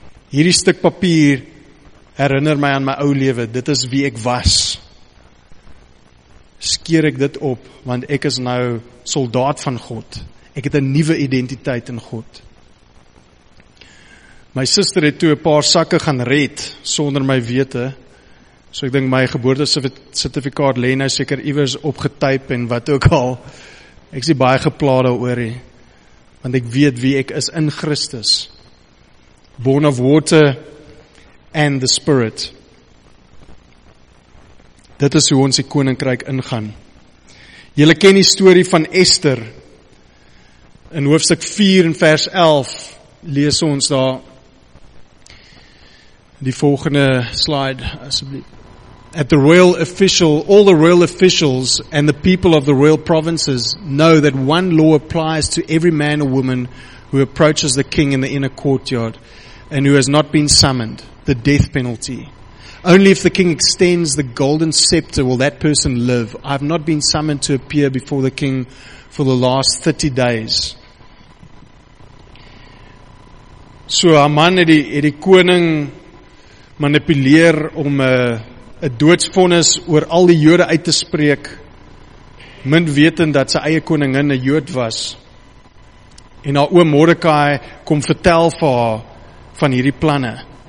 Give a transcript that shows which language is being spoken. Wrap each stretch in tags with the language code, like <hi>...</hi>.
<af>Hierdie stuk papier herinner my aan my ou lewe, dit is wie ek was. Skeer ek dit op, want ek is nou soldaat van God. Ek het 'n nuwe identiteit in God. My suster het toe 'n paar sakke gaan red, sonder my wete. So ek dink my geboortesertifikaat lê nou seker iewers opgetyp en wat ook al. Ek is nie baie gepla daaroor nie, want ek weet wie ek is in Christus.</af> <en>Born of water and the Spirit.</en> <af>Dit is hoe ons die koninkryk ingaan. Julle ken die story van Esther. In hoofstuk 4 en vers 11 lees ons daar die volgende slide asseblief.</af> <en>At the royal official, all the royal officials and the people of the royal provinces know that one law applies to every man or woman who approaches the king in the inner courtyard and who has not been summoned, the death penalty. Only if the king extends the golden scepter will that person live. I have not been summoned to appear before the king for the last 30 days.</en> <af>So Haman het die koning manipuleer om 'n doodsvonnis oor al die Jode uit te spreek, min wetend dat sy eie koningin 'n Jood was. En haar oom Mordekai kom vertel vir haar van hierdie planne.</af>